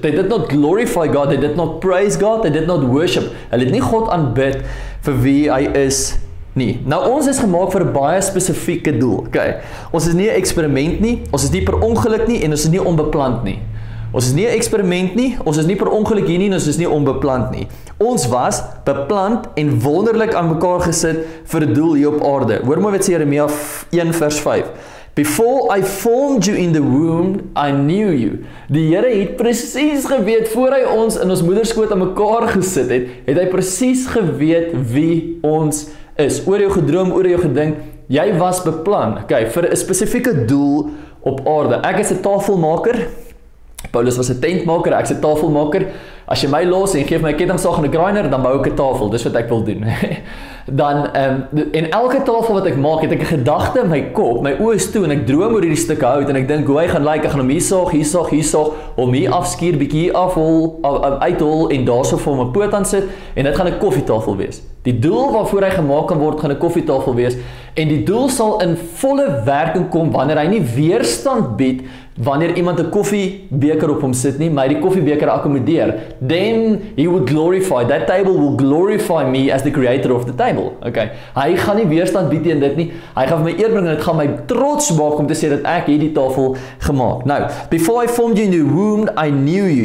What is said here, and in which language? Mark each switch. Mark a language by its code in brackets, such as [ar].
[en] They did not glorify God, they did not praise God, they did not worship. [af] Hulle het nie God aanbid vir wie hy is, nie. Nou, ons is gemaak vir baie spesifieke doel. Okay. Ons is nie 'n eksperiment nie, ons is nie per ongeluk nie, en ons is nie onbeplant nie. Ons is nie 'n eksperiment nie, ons is nie per ongeluk hier nie, en ons is nie onbeplant nie. Ons was beplant en wonderlik aan mekaar gesit vir die doel hier op aarde. Hoor mooi wat sê Jeremia 1 vers 5. [en] Before I formed you in the womb, I knew you. [af] Die Here het presies geweet, voor hy ons in ons moederskoot aan mekaar gesit het, het hy presies geweet wie ons is, oor jou gedroom, oor jou gedink, jy was beplan, okay, vir 'n spesifieke doel op aarde. Ek is 'n tafelmaker, Paulus was 'n tentmaker, ek is 'n tafelmaker, As jy my los en geef my kettingsaag en 'n grinder, dan bou ek 'n tafel, dis wat ek wil doen. Dan, en elke tafel wat ek maak, het ek 'n gedagte in my kop, my oë is toe en ek droom oor hierdie stukke hout en ek dink hoe hy gaan lyk, ek gaan hom hier saag, hier saag, hier saag, hom hier afskuur, bietjie hier afhol, uithol en daarso vir hom 'n poot aan sit en dit gaan 'n koffietafel wees. Die doel waarvoor hy gemaak kan word, gaan 'n koffietafel wees en die doel sal in volle werking kom wanneer hy nie weerstand bied wanneer iemand 'n koffiebeker op hom sit nie, maar die koffiebeker akkommodeer. [en] Then he will glorify, that table will glorify me as the creator of the table. [af] Okay, hy gaan nie weerstand bied teen dit nie, hy gaan my eer bring en dit gaan my trots maak om te sê dat ek hierdie tafel gemaak. [en] Nou, before I formed you in the womb, I knew you.